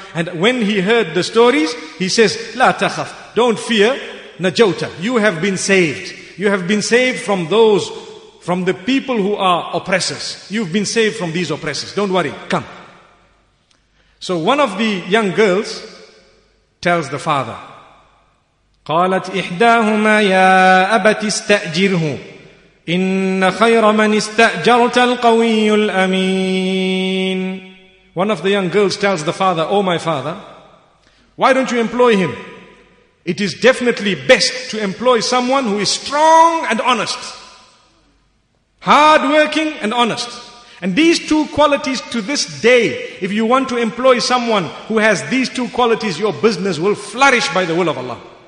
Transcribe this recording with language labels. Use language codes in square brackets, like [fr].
[en] And when he heard the stories, he says, [ar] La takhaf, [en] don't fear, [ar] najawta, [en] you have been saved. You have been saved from those, from the people who are oppressors. You've been saved from these oppressors. Don't worry, come. So one of the young girls tells the father, [ar] قالت إحداهما يا أبت استأجره إن خير من استأجرت القوي الأمين. [en] One of the young girls tells the father, oh my father, why don't you employ him? It is definitely best to employ someone who is strong and honest. Hard working and honest. And these two qualities to this day, if you want to employ someone who has these two qualities, your business will flourish by the will of Allah.